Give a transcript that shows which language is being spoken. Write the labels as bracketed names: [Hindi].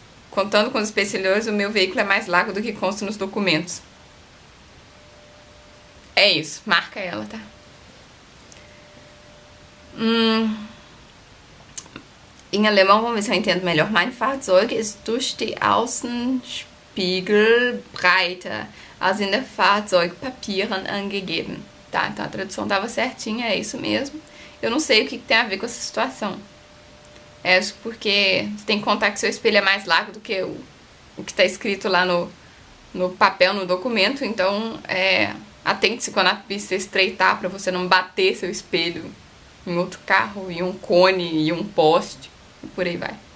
[Portuguese] Contando com os espelhos exteriores, o meu veículo é mais largo do que consta nos documentos. É isso, marca ela, tá? Em alemão, vamos ver se eu entendo melhor. [German] Mein Fahrzeug ist durch die Außenspiegel breiter als in den Fahrzeugpapieren angegeben. [Portuguese] Tá, então a tradução tava certinha, é isso mesmo. Eu não sei o que tem a ver com essa situação. É porque você tem que contar que seu espelho é mais largo do que o que está escrito lá no papel, no documento. Então, atente-se quando a pista estreitar para você não bater seu espelho em outro carro, em um cone, em um poste, e por aí vai.